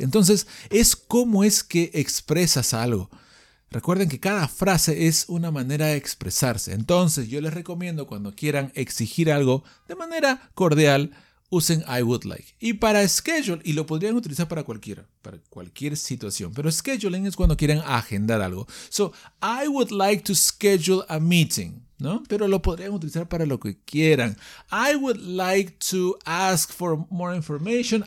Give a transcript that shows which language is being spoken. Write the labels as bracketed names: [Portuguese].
[Spanish] Entonces es cómo es que expresas algo. Recuerden que cada frase es una manera de expresarse. Entonces yo les recomiendo cuando quieran exigir algo de manera cordial, usen [English] I would like. [Spanish] Y para schedule, y lo podrían utilizar para cualquiera, para cualquier situación. Pero scheduling es cuando quieren agendar algo. [English] So, I would like to schedule a meeting, ¿no? [Spanish] Pero lo podrían utilizar para lo que quieran. [English] I would like to ask for more information.